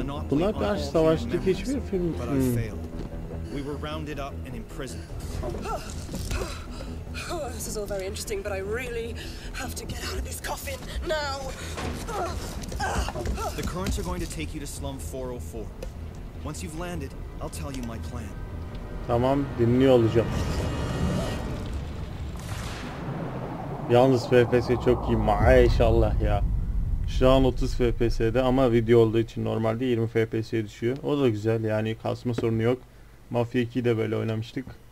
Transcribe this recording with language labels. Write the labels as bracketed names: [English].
[Turkish] Buna karşı savaştık hiçbir firm. [English] We were rounded up and imprisoned. Oh, this is all very interesting, but I really have to get out of this coffin now. The currents are going to take you to slum 404. Once you've landed, I'll tell you my plan. [Turkish] Tamam, dinliyor olacağım. Yalnız FPS çok iyi maşallah ya. Şu an 30 FPS'de ama video olduğu için normalde 20 FPS'ye düşüyor. O da güzel, yani kasma sorunu yok. Mafia 2'yi de böyle oynamıştık.